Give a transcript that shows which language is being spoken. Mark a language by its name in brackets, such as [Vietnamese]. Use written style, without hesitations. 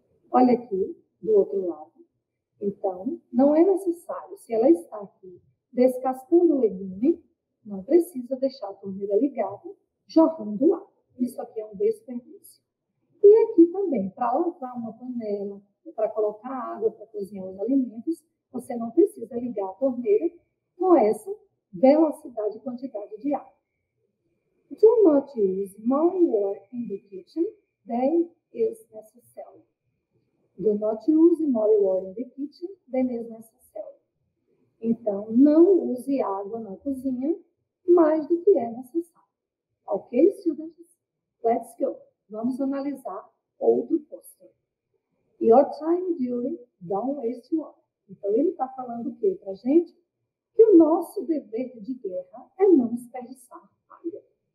[Portuguese] Olha aqui, do outro lado. Então, não é necessário, se ela está aqui descascando o legume, não precisa deixar a torneira ligada, jorrando água. Isso aqui é um desperdício. E aqui também, para lavar uma panela, para colocar água para cozinhar os alimentos, você não precisa ligar a torneira com essa velocidade e quantidade de água. [English] Do not use more water in the kitchen than is necessary. Do not use more water in the kitchen than is necessary. [Portuguese] Então, não use água na cozinha mais do que é necessário. [English] Ok, students? Let's go. [Portuguese] Vamos analisar outro pôster. [English] Your time duty, don't waste one. [Portuguese] Então, ele está falando o quê para a gente? Que o nosso dever de guerra é não desperdiçar água.